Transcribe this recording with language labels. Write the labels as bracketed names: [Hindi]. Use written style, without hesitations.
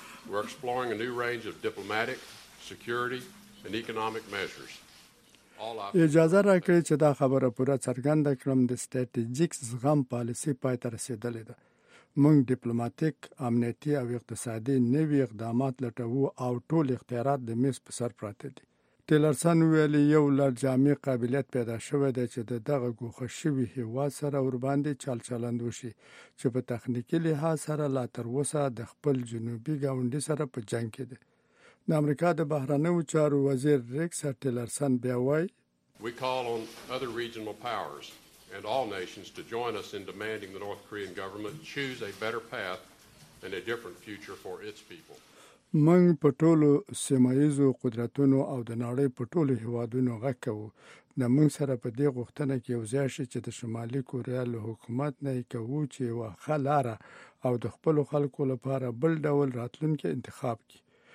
[English] We're exploring a new range of diplomatic, security, and economic measures. [Pashto] اجازه راکړئ چې دا خبره پوره څرګنده کړم. د ستراتیژیک زغم پالیسي پای ته رسیدلې ده. موږ ډیپلوماتیک، امنیتي او اقتصادي نوي اقدامات لټوو، او ټول اختیارات د میز په سر پراته دي. ټیلرسن وویل یو لړ جامع قابلیت پیدا شوی دی چې د دغه ګوښه شوي هیواد سره ورباندې چل چلند وشي چې په تخنیکي لحاظ سره لا تر اوسه د خپل جنوبي ګاونډي سره په جنګ کې دی. د امریکا د بهرنیو چارو وزیر ریکس ټیلرسن بیا وایي [English] We call on other regional powers and all nations to join us in demanding the North Korean government choose a better path and a different future for its people. [Pashto] منګ په ټولو سیمایزو قدرتونو او د نړۍ په ټولو هیوادونو غږ کوو د موږ سره په دې غوښتنه کې یو ځای شي چې د شمالي کوریا له حکومت نه یې کوو چې یوه ښه لاره او د خپلو خلکو لپاره بل ډول راتلونکی انتخاب کړي.